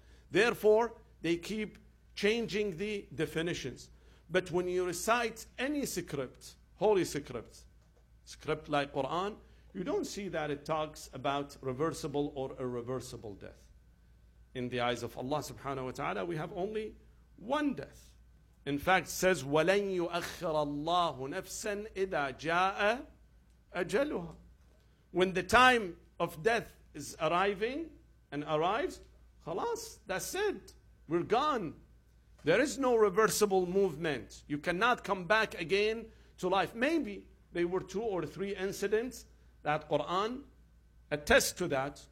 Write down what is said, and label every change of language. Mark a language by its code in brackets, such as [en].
[en] Therefore, they keep changing the definitions. But when you recite any script, holy script like Quran, you don't see that it talks about reversible or irreversible death. In the eyes of Allah subhanahu wa ta'ala, we have only one death. In fact, it says, [ar] وَلَنْ يُؤَخِّرَ اللَّهُ نَفْسًا إِذَا جَاءَ أَجَلُهَا. [en] When the time of death is arriving and arrives, خلاص, that's it, we're gone. There is no reversible movement. You cannot come back again to life. Maybe they were two or three incidents that Quran attests to that.